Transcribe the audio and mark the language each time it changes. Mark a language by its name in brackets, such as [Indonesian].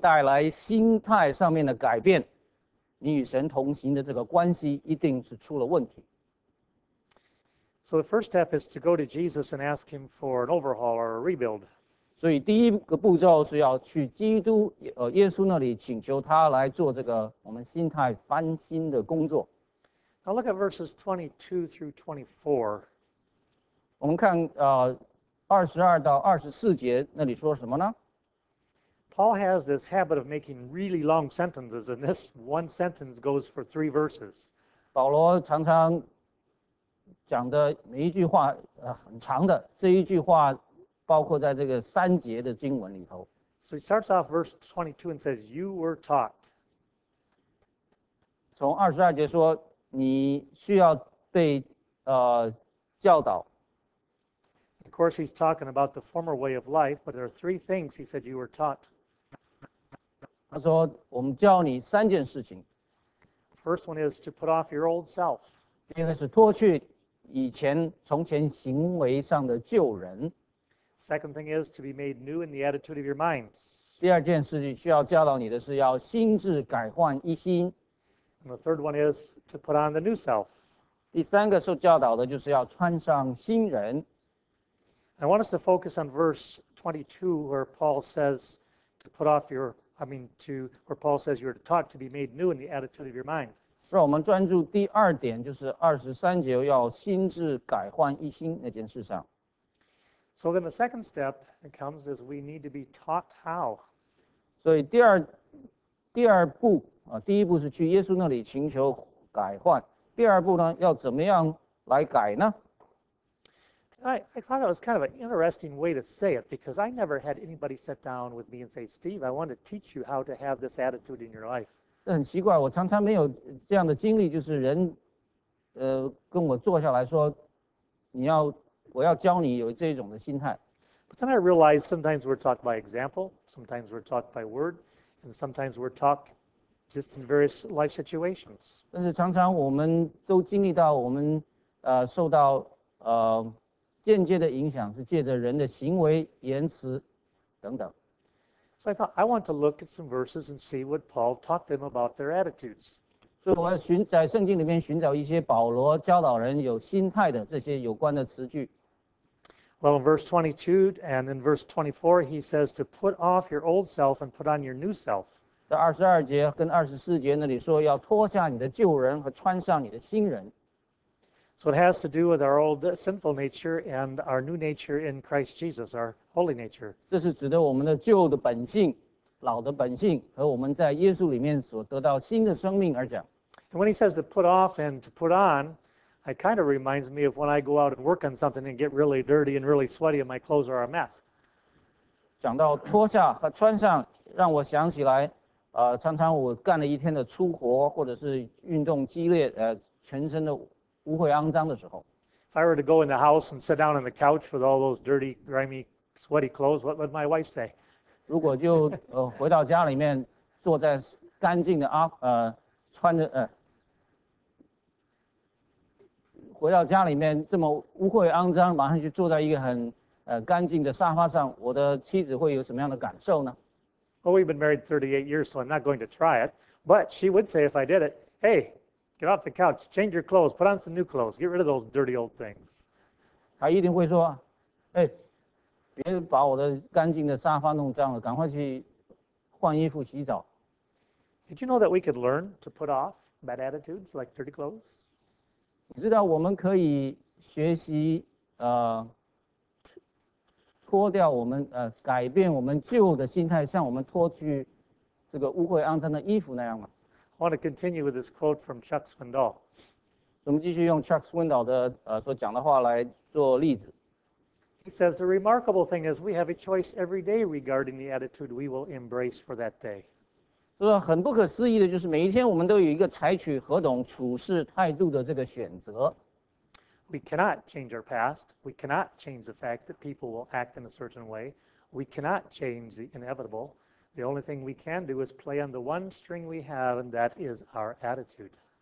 [Chinese] 我认为成为基督的门徒却没有带来心态上面的改变。你与神同行的这个关系一定是出了问题。 [English] So the first step is to go to Jesus and ask him for an overhaul or a rebuild. [Chinese] 所以第一个步骤是要去基督耶稣那里请求他来做这个我们心态翻新的工作。 [English] Now look at verses 22 through 24. [Chinese] 我们看22到24节那里说什么呢？ [English] Paul has this habit of making really long sentences, and this one sentence goes for three verses. [Chinese] 保罗常常讲的每一句话，很长的，这一句话包括在这个三节的经文里头。 [English] So he starts off verse 22 and says, "You were taught." [Chinese] 从二十二节说，你需要被教导。 [English] Of course, he's talking about the former way of life, but there are three things he said you were taught. [Chinese] 他说，我们教你三件事情。 [English] First one is to put off your old self. [Chinese] 第一个是脱去以前从前行为上的旧人。 [English] Second thing is to be made new in the attitude of your minds. [Chinese] 第二件事情需要教导你的是要心智改换一新。 [English] And the third one is to put on the new self. [Chinese] 第三个受教导的就是要穿上新人。 [English] I want us to focus on verse 22 where Paul says to put off your, I mean to, where Paul says you're to talk to be made new in the attitude of your mind. [Chinese] 让我们专注第二点，就是二十三节要心智改换一新那件事上。 [English] So then the second step that comes is we need to be taught how. [Chinese] 所以第二步啊，第一步是去耶稣那里寻求改换，第二步呢要怎么样来改呢？ [English] I thought that was kind of an interesting way to say it because I never had anybody sit down with me and say, Steve, I want to teach you how to have this attitude in your life. [Chinese] 很奇怪，我常常没有这样的经历，就是人，跟我坐下来说，我要教你有这种的心态。 [English] But then I realized sometimes we're taught by example, sometimes we're taught by word, and sometimes we're taught just in various life situations. [Chinese] 但是常常我们都经历到我们，受到，间接的影响是借着人的行为、言辞等等。 [English] So I thought I want to look at some verses and see what Paul taught them about their attitudes. [Chinese] 所以我在圣经里面寻找一些保罗教导人有心态的这些有关的词句。 [English] Well, in verse 22 and in verse 24, he says to put off your old self and put on your new self. [Chinese] 在二十二节跟二十四节那里说要脱下你的旧人和穿上你的新人。 [English] So it has to do with our old sinful nature and our new nature in Christ Jesus, our holy nature. [Chinese] 这是指的我们的旧的本性、老的本性和我们在耶稣里面所得到新的生命而讲。 [English] And when he says to put off and to put on, it kind of reminds me of when I go out and work on something and get really dirty and really sweaty and my clothes are a mess. [Chinese] 讲到脱下和穿上，让我想起来，常常我干了一天的粗活，或者是运动激烈，全身的污秽肮脏的时候。 If I were to go in the house and sit down on the couch with all those dirty, grimy, sweaty clothes, what would my wife say? 如果就回到家里面，坐在干净的穿着回到家里面这么污秽肮脏，马上去坐在一个很干净的沙发上，我的妻子会有什么样的感受呢 [English] ？Well, we've been married 38 years, so I'm not going to try it. But she would say if I did it, hey. Get off the couch, change your clothes, put on some new clothes, get rid of those dirty old things. [Chinese] 他一定会说，哎，别把我的干净的沙发弄脏了，赶快去换衣服洗澡。 [English] Did you know that we could learn to put off bad attitudes like dirty clothes? [Chinese] 你知道我们可以学习脱掉我们改变我们旧的心态，像我们脱去这个污秽肮脏的衣服那样吗？ [English] I want to continue with this quote from Chuck Swindoll. [Chinese] 我们继续用 Chuck Swindoll 的所讲的话来做例子。 [English] He says the remarkable thing is we have a choice every day regarding the attitude we will embrace for that day. [Chinese] 是吧？很不可思议的就是每一天我们都有一个采取何种处事态度的这个选择。 [English] We cannot change our past. We cannot change the fact that people will act in a certain way. We cannot change the inevitable. The only thing we can do is play on the one string we have, and that is our attitude.